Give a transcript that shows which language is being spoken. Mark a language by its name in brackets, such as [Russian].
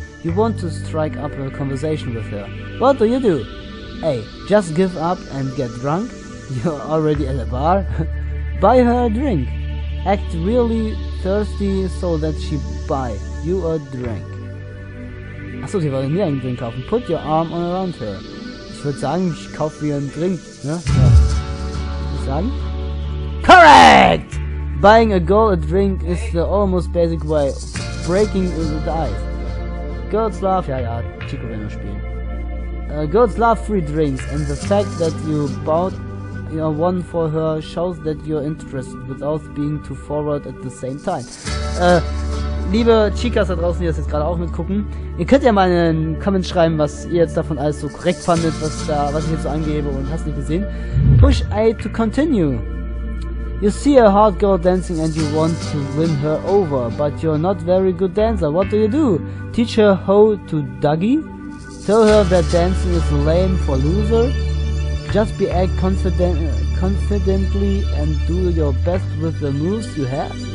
[English] You want to strike up a conversation with her. What do you do? A. Just give up and get drunk. You're already at a bar. Buy her a drink. Act really thirsty so that she buy you a drink. [German] Achso, sie wollen mir einen Drink kaufen. [English] Put your arm around her. [German] Ich würde sagen, ich kaufe mir einen Drink, ne? Ja. Ich sagen? [English] Correct! Buying a girl a drink is the almost basic way of breaking the ice. Girls love... [German] Ja, Chico will nur spielen. [English] Girls love free drinks, and the fact that you bought your one for her shows that you're interested without being too forward at the same time. [German] Liebe Chicas da draußen, die das jetzt gerade auch mitgucken, ihr könnt ja mal in den Comments schreiben, was ihr jetzt davon alles so korrekt fandet, was ich jetzt so angebe und hast nicht gesehen. [English] Push A to continue. You see a hot girl dancing and you want to win her over, but you're not very good dancer. What do? Teach her how to Dougie? Tell her that dancing is lame for loser? Just be act confidently and do your best with the moves you have?